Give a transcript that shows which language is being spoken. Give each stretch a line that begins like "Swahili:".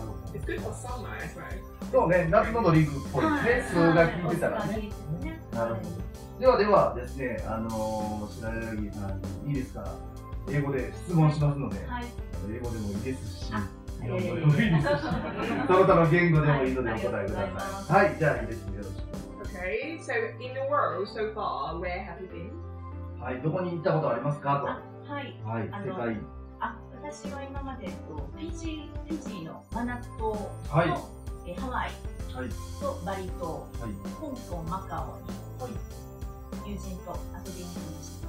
Japanese: い、そうね、夏のドリンクっぽいですね、数学聞いてたらね、なるほど、ではではですね、白柳さん、いいですか、英語で質問しますので、はい、英語でもいいですし、日本語でもいいですし、その他の言語でもいいのでお答えください。はい、じゃあ、いいですね、よろしく。
English: OK, so in the world so far, where have you been?
Japanese: はい、どこに行ったことありますかと。はい、はい、世界。あ、私は今までフィジーのマナ島と、はい、ハワイと、はい、バリ島、はい、香港、マカオに、はい、友人と遊びに来ました。